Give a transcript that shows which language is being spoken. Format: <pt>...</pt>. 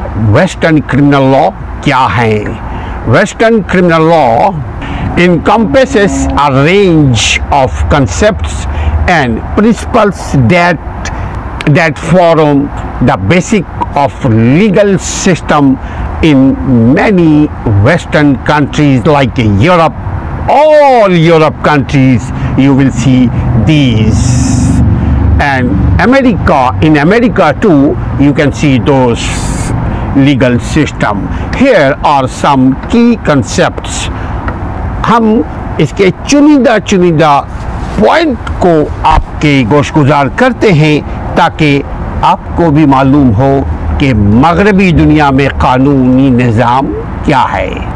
<en>western criminal law</en> <ur>کیا ہے؟</ur> <en>Western criminal law encompasses a range of concepts and principles that form the basic of legal system in many Western countries like Europe. All Europe countries you will see these, and America, in America too you can see those legal system. Here are some key concepts.</en> <ur>ہم اس کے چنیدہ چنیدہ point کو آپ کے گوش گزار کرتے ہیں تاکہ آپ کو بھی معلوم ہو کہ مغربی دنیا میں قانونی نظام کیا ہے.</ur>